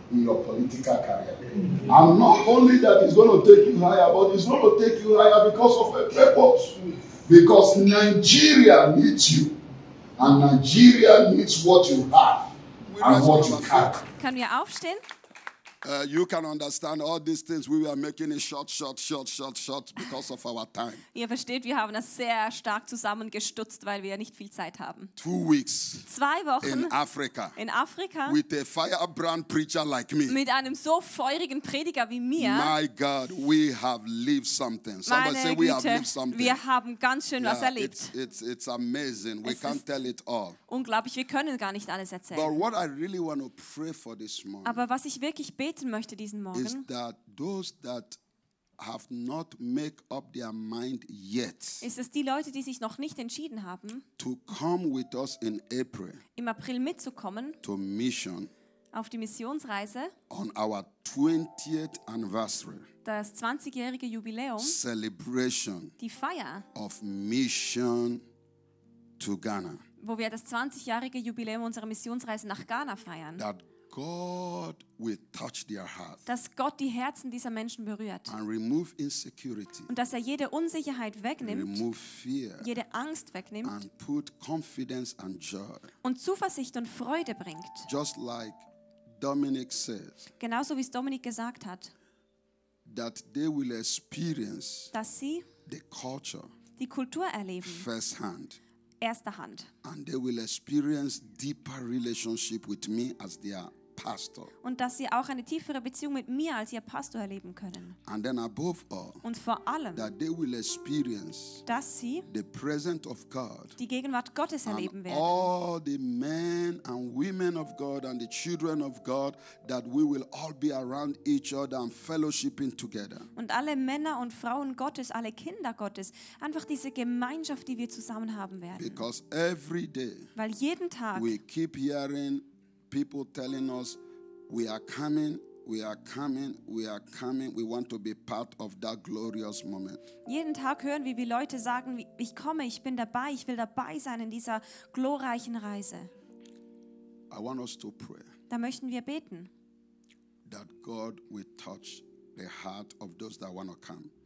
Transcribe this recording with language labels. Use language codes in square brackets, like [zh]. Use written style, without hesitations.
[en] in your political career. And not only that it's going to take you higher, but it's going to take you higher because of a purpose. Because Nigeria needs you. And Nigeria needs what you have and what you have. Can we [de] aufstehen? [en] You can understand all these things. We are making it short because of our time. [de] Ihr versteht, wir haben das sehr stark zusammengestutzt, weil wir nicht viel Zeit haben. [en] 2 weeks. [de] 2 Wochen. In Afrika. [en] With a firebrand preacher like me. [de] Mit einem so feurigen Prediger wie mir. [en] My God, we have lived something. Somebody say we have lived something. [de] Wir haben ganz schön was erlebt. [en] It's amazing. We can't tell it all. [de] Unglaublich, wir können gar nicht alles erzählen. [en] But what I really want to pray for this morning. [de] Aber was ich wirklich beten möchte diesen Morgen, [en] is that those that have not made up their mind yet, [de] ist es die Leute, die sich noch nicht entschieden haben, [en] to come with us in April, [de] im April mitzukommen, [en] to mission, [de] auf die Missionsreise, [en] on our 20th anniversary, [de] das 20-jährige Jubiläum, [en] celebration, [de] die Feier, [en] of mission to Ghana, [de] wo wir das 20-jährige Jubiläum unserer Missionsreise nach Ghana feiern, [en] that God will touch their hearts. [de] Dass Gott die Herzen dieser Menschen berührt. [en] And remove insecurity. [de] Und dass er jede Unsicherheit wegnimmt. [en] Remove fear. [de] Jede Angst wegnimmt. [en] And put confidence and joy. [de] Und Zuversicht und Freude bringt. [en] Just like Dominic said. [de] Genauso wie es Dominic gesagt hat. [en] That they will experience. [de] Dass sie [en] the culture. [de] Die Kultur erleben. [en] First hand. [de] Erster Hand. [en] And they will experience deeper relationship with me as their pastor. [de] Und dass sie auch eine tiefere Beziehung mit mir als ihr Pastor erleben können. [en] And then above all, [de] und vor allem, [en] that they will experience, [de] dass sie [en] the presence of God, [de] die Gegenwart Gottes erleben [en] and [de] werden. [en] All the men and women of God and the children of God, that we will all be around each other and fellowshipping together. [de] Und alle Männer und Frauen Gottes, alle Kinder Gottes, einfach diese Gemeinschaft, die wir zusammen haben werden. [en] Because every day, [de] weil jeden Tag, [en] we keep hearing people telling us we are coming, we are coming, we are coming, we want to be part of that glorious moment. [de] Jeden Tag hören wir, wie Leute sagen, ich komme, ich bin dabei, ich will dabei sein in dieser glorreichen Reise. [en] I want us to pray. [de] Da möchten wir beten. [en] That God will touch the heart of those that want to come.